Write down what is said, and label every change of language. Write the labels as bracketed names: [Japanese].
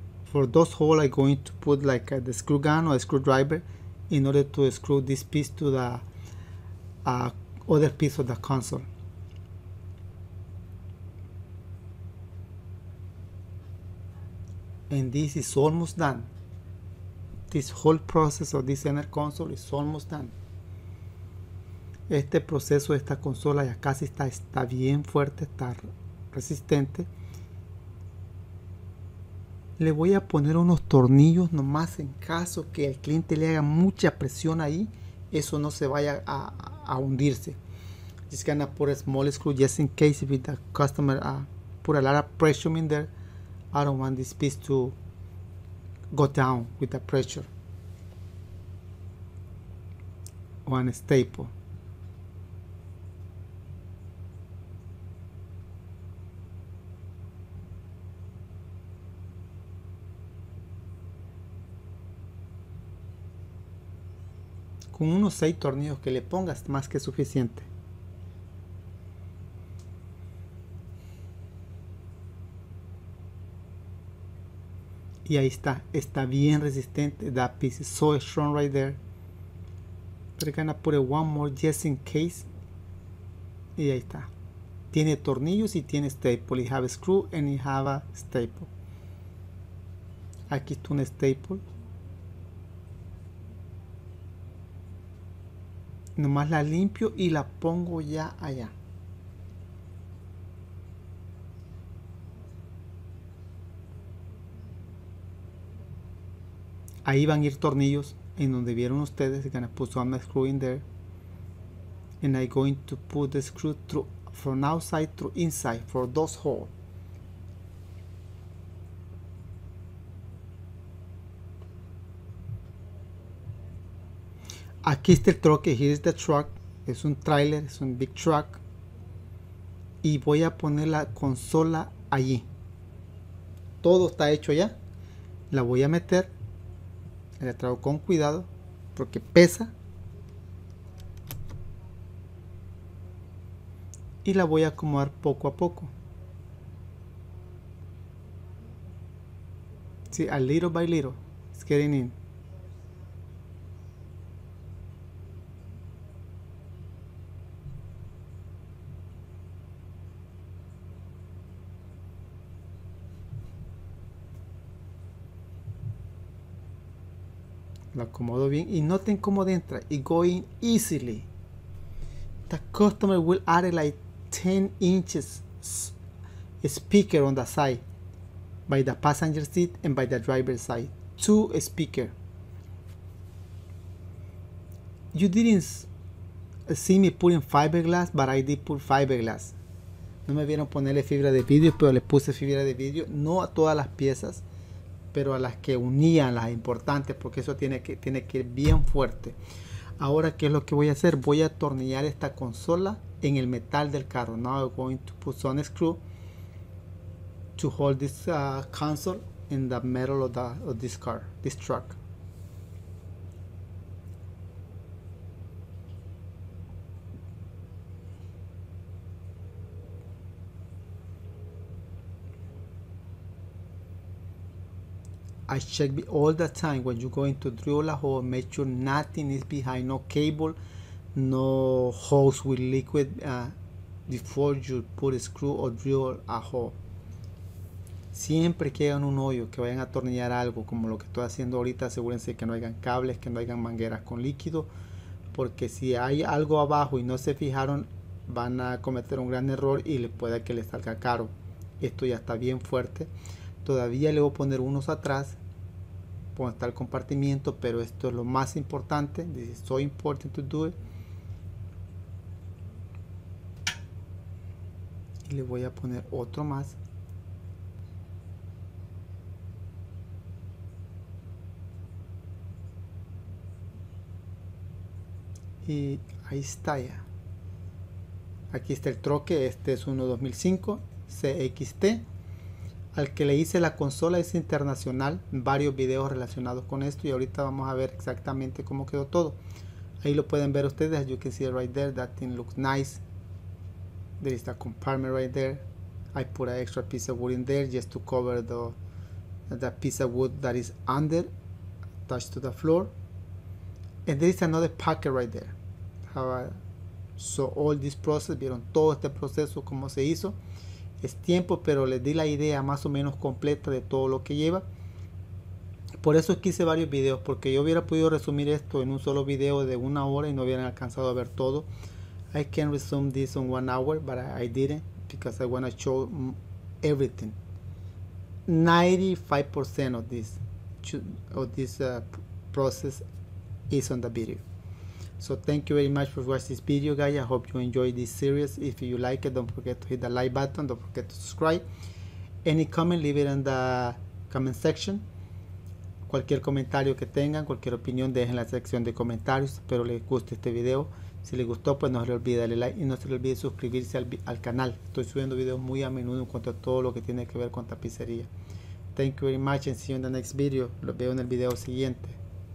[English] For those holes I'm going to put like the screw gun or a screwdriver in order to screw this piece to the other piece of the console. And this is almost done. This whole process of this inner console is almost done. [Spanish] Este proceso de esta consola ya casi está bien fuerte, está resistente. Le voy a poner unos tornillos nomás en caso que el cliente le haga mucha presión ahí, eso no se vaya a hundirse. [English] Just gonna put a small screw just in case if the customer put a lot of pressure in there. I don't want this piece to go down with the pressure. One staple. [Spanish] Con unos 6 tornillos que le pongas, más que suficiente. Y ahí está, está bien resistente. [English] That piece is so strong right there. We're gonna put it one more just in case. [Spanish] Y ahí está. Tiene tornillos y tiene staple. [English] It have a screw and it have a staple. [Spanish] Aquí está un staple. Nomás la limpio y la pongo ya allá. Ahí van a ir tornillos en donde vieron ustedes. I'm gonna put some screw in there. And I'm going to put the screw through from outside through inside for those holes. Aquí está el troque. [English] Here is the truck. [Spanish] Es un trailer, es un [English] big truck. [Spanish] Y voy a poner la consola allí. Todo está hecho ya. La voy a meter. Le traigo con cuidado porque pesa y la voy a acomodar poco a poco. [English] Sí, a little by little, it's getting in. [Spanish] Lo acomodo bien y noten cómo entra. [English] It going easily. The customer will add like 10 inches speaker on the side by the passenger seat and by the driver's side. Two speaker. You didn't see me putting fiberglass, but I did put fiberglass. [Spanish] No me vieron ponerle fibra de vidrio, pero le puse fibra de vidrio. No a todas las piezas, pero a las que unían, las importantes, porque eso tiene que ir bien fuerte. Ahora, ¿qué es lo que voy a hacer? Voy a atornillar esta consola en el metal del carro. [English] Now I'm going to put some screw to hold this console in the metal of this car, this truck. I check all the time when you go into drill a hole, make sure nothing is behind, no cable, no hose with liquid before you put a screw or drill a hole. [Spanish] Siempre que hagan un hoyo, que vayan a atornillar algo como lo que estoy haciendo ahorita, asegúrense que no hayan cables, que no hayan mangueras con líquido, porque si hay algo abajo y no se fijaron, van a cometer un gran error y le puede que les salga caro. Esto ya está bien fuerte. Todavía le voy a poner unos atrás, donde está el compartimiento, pero esto es lo más importante. [English] This is so important to do it. [Spanish] Y le voy a poner otro más. Y ahí está ya. Aquí está el troque. Este es uno 2005 CXT. Al que le hice la consola es internacional. Varios videos relacionados con esto. Y ahorita vamos a ver exactamente cómo quedó todo. Ahí lo pueden ver ustedes. [English] You can see it right there. That thing looks nice. There is the compartment right there. I put an extra piece of wood in there just to cover the piece of wood that is under, attached to the floor. And there is another packet right there. So all this process, [Spanish] vieron todo este proceso cómo se hizo. Es tiempo, pero les di la idea más o menos completa de todo lo que lleva. Por eso es que hice varios videos, porque yo hubiera podido resumir esto en un solo video de 1 hora y no hubieran alcanzado a ver todo. [English] I can resume this in 1 hour, but I didn't because I want to show everything. 95% of this process is on the video. So thank you very much for watching this video, guys. I hope you enjoyed this series. If you like it, don't forget to hit the like button. Don't forget to subscribe. Any comment, leave it in the comment section. [Spanish] Cualquier comentario que tengan, cualquier opinión, dejen en la sección de comentarios. Espero les guste este video. Si les gustó, pues no se le olvide darle like y no se le olvide suscribirse al canal. Estoy subiendo videos muy a menudo en cuanto a todo lo que tiene que ver con tapicería. [English] Thank you very much and see you in the next video. [Spanish] Los veo en el video siguiente.